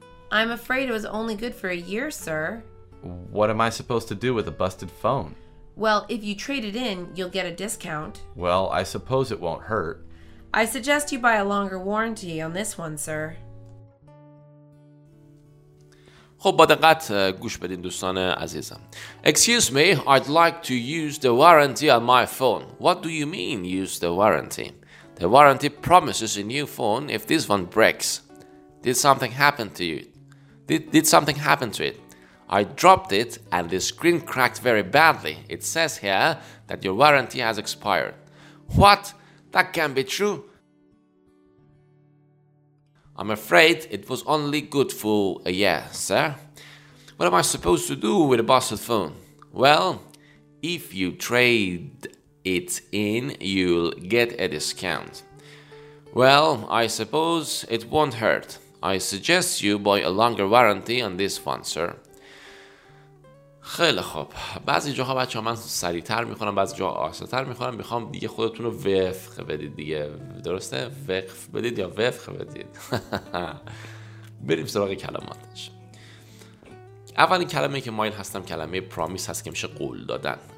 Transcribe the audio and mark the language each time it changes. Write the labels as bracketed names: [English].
[English] I'm afraid it was only good for a year, sir. What am I supposed to do with a busted phone? Well, if you trade it in, you'll get a discount. Well, I suppose it won't hurt. I suggest you buy a longer warranty on this one, sir. [Persian] خب با دقت گوش بدین دوستان عزیزم. [English] Excuse me, I'd like to use the warranty on my phone. What do you mean, use the warranty? The warranty promises a new phone if this one breaks. Did something happen to it? I dropped it and the screen cracked very badly. It says here that your warranty has expired. What? That can't be true. I'm afraid it was only good for a year, sir. What am I supposed to do with a busted phone? Well, if you trade it in, you'll get a discount. Well, I suppose it won't hurt. I suggest you buy a longer warranty on this one, sir. [Persian] خیلی خوب. بعضی جاها بچه‌ها من سریع‌تر می‌خونم، بعضی جاها آهسته‌تر می‌خونم. می‌خوام دیگه خودتون رو وقف بدید دیگه. درسته؟ وقف بدید یا وقف بدید. بریم سراغ کلماتش. اولین کلمه‌ای که مایل هستم کلمه پرامیس هست که میشه قول دادن.